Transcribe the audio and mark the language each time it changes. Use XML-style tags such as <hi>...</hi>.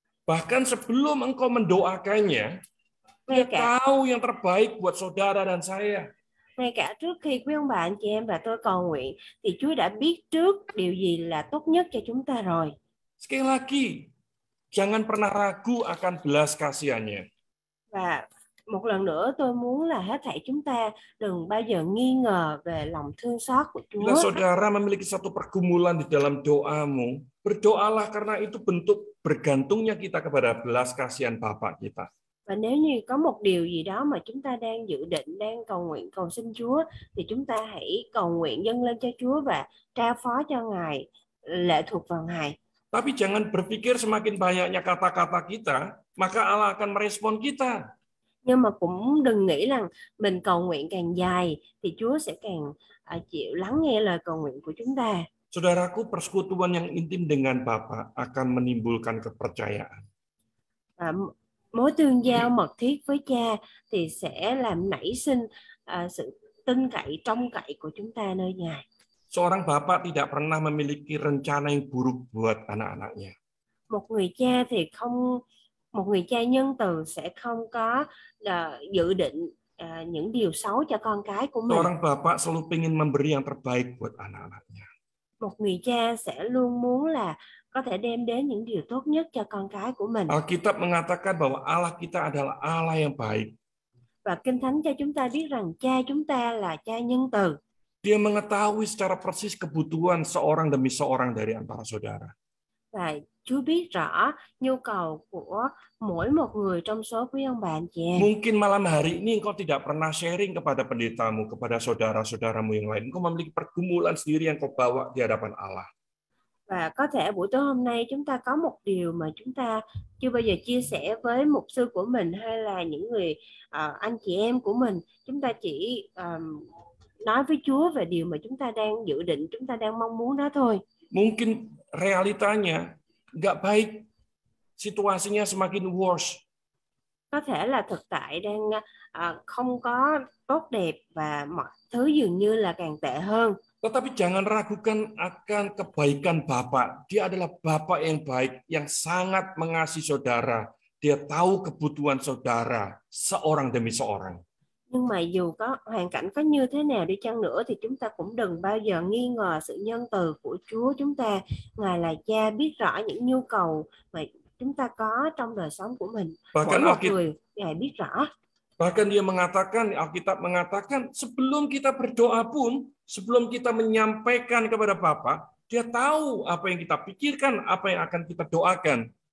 <id>Bahkan sebelum engkau mendoakannya, Dia tahu yang terbaik buat saudara dan saya.</id> <vi>Ngay cả trước khi quý ông bà anh chị em và tôi cầu nguyện thì Chúa đã biết trước điều gì là tốt nhất cho chúng ta rồi.</vi> <id>Sekali lagi, jangan pernah ragu akan belas kasihannya.</id> <vi>Và một lần nữa tôi muốn là hết thảy chúng ta đừng bao giờ nghi ngờ về lòng thương xót của Chúa.</vi> <id>Bila saudara memiliki satu pergumulan di dalam doamu, berdoalah karena itu bentuk bergantungnya kita kepada belas kasihan Bapa kita.</id> <vi>Và nếu như có một điều gì đó mà chúng ta đang dự định, đang cầu nguyện, cầu xin Chúa, thì chúng ta hãy cầu nguyện dâng lên cho Chúa và trao phó cho Ngài, lệ thuộc vào Ngài.</vi> <id>Tapi jangan berpikir semakin banyaknya kata-kata kita, maka Allah akan merespon kita.</id> <vi>Nhưng mà cũng đừng nghĩ rằng mình cầu nguyện càng dài thì Chúa sẽ càng chịu lắng nghe lời cầu nguyện của chúng ta.</vi> <id>Saudaraku, persekutuan yang intim dengan Bapa akan menimbulkan kepercayaan.</id> <vi>Mối tương giao mật thiết với Cha thì sẽ làm nảy sinh sự tin cậy, trông cậy của chúng ta nơi Ngài.</vi> <id>Seorang bapa tidak pernah memiliki rencana yang buruk buat anak-anaknya.</id> <vi>Một người cha thì không, một người cha nhân từ sẽ không có dự định những điều xấu cho con cái của mình.</vi> <id>Seorang bapa selalu ingin memberi yang terbaik buat anak-anaknya.</id> <vi>Một người cha sẽ luôn muốn là có thể đem đến những điều tốt nhất cho con cái của mình.</vi> <id>Alkitab mengatakan bahwa Allah kita adalah Allah yang baik.</id> <vi>Và Kinh Thánh cho chúng ta biết rằng Cha chúng ta là Cha nhân từ.</vi> <id>Dia mengetahui secara persis kebutuhan seorang demi seorang dari antara saudara.</id> <vi>Và Chúa biết rõ nhu cầu của mỗi một người trong số quý ông bà anh chị em.</vi> <id>Mungkin malam hari ini engkau tidak pernah sharing kepada pendetamu, kepada saudara-saudaramu yang lain. Engkau memiliki pergumulan sendiri yang kau bawa di hadapan Allah.</id> <vi>Và có thể buổi tối hôm nay chúng ta có một điều mà chúng ta chưa bao giờ chia sẻ với mục sư của mình hay là những người anh chị em của mình. Chúng ta chỉ nói với Chúa về điều mà chúng ta đang dự định, chúng ta đang mong muốn đó thôi.</vi> <id>Mungkin realitanya gak baik, situasinya semakin worse.</id> <vi>Có thể là thực tại đang không có tốt đẹp và mọi thứ dường như là càng tệ hơn.</vi> <id>Tetapi jangan ragukan akan kebaikan Bapa. Dia adalah Bapa yang baik, yang sangat mengasihi saudara Dia tahu kebutuhan saudara seorang demi seorang.</id> <vi>Nhưng mà dù có hoàn cảnh có như thế nào đi chăng nữa thì chúng ta cũng đừng bao giờ nghi ngờ sự nhân từ của Chúa chúng ta. Ngài là Cha biết rõ những nhu cầu mà chúng ta có trong đời sống của mình.</vi> <id>Bahkan</id> <vi>mỗi một người, Ngài biết rõ.</vi> <id>Bahkan dia mengatakan, Alkitab mengatakan, sebelum kita berdoa pun, sebelum kita menyampaikan kepada Bapa, dia tahu apa yang kita pikirkan, apa yang akan kita doakan.</id>